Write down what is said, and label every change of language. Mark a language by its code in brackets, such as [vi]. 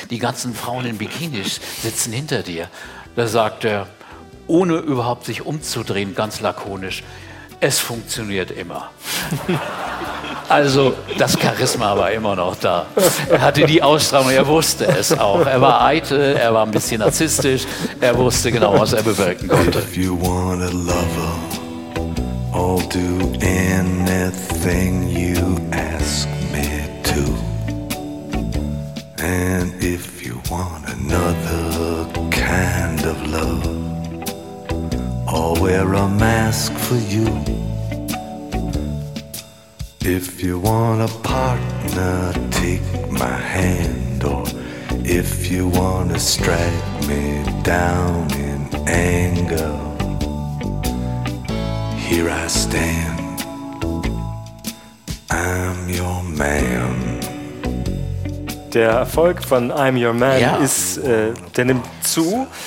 [de] Die ganzen Frauen in Bikinis sitzen hinter dir. Da sagt er, ohne überhaupt sich umzudrehen, ganz lakonisch, es funktioniert immer. Also das Charisma war immer noch da. Er hatte die Ausstrahlung, er wusste es auch. Er war eitel, er war ein bisschen narzisstisch. Er wusste genau, was er bewirken konnte. [en] If you want a lover, I'll do anything you ask me to. And if you want another kind of love, I'll wear a mask for you. If you want a partner, take my hand. Or if you want to strike me down in anger, here I stand, I'm your man. [de] Der Erfolg von I'm Your Man, ja, ist, der nimmt zu.